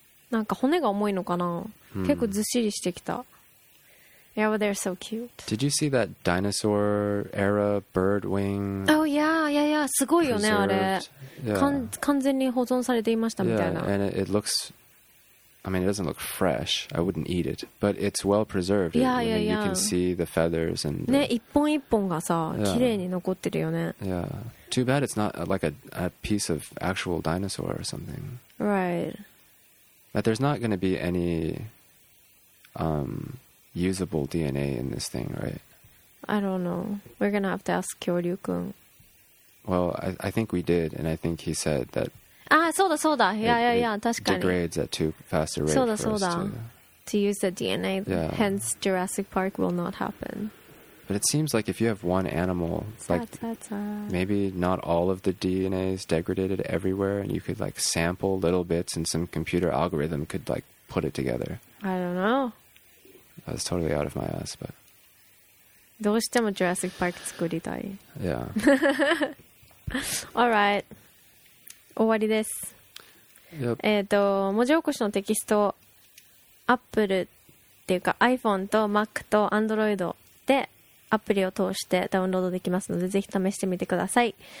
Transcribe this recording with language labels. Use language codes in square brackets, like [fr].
[ja] なんか骨が重いのかな。結構ずっしりしてきた。 [en] Yeah, but they're so cute. Did you see that dinosaur era bird wing? Oh, yeah, yeah, yeah. [ja] すごいよね、 [en] preserved? [ja] あれ。 [en] Yeah. [ja] 完全に保存されていましたみたいな。 [en] Yeah, and it looks... I mean, it doesn't look fresh. I wouldn't eat it. But it's well preserved. Yeah, yeah, yeah. You can see the feathers and... [ja] The... ね、一本一本がさ、綺麗に残ってるよね。 [en] Yeah. Too bad it's not like a piece of actual dinosaur or something. Right. But there's not going to be any... usable DNA in this thing, right? I don't know. We're gonna have to ask Kyoryu-kun. Well, I think we did, and I think he said that... [ja] Ah, そうだそうだ [en] Yeah, yeah, yeah, [ja] 確かに [en] degrades at too fast a rate [ja] そうだそうだ [en] for us to use the DNA, yeah. Hence Jurassic Park will not happen. But it seems like if you have one animal, like, maybe not all of the DNA is degraded everywhere, and you could, like, sample little bits, and some computer algorithm could, like, put it together. I don't know. That's totally out of my ass, but... [ja] どうしてもジュラシックパーク作りたい。 [en] Yeah. [ja] All right. 終わりです。 [en] Yep. [ja] 文字起こしのテキスト、Apple っていうか iPhone と Mac と Android でアプリを通してダウンロードできますので、ぜひ試してみてください。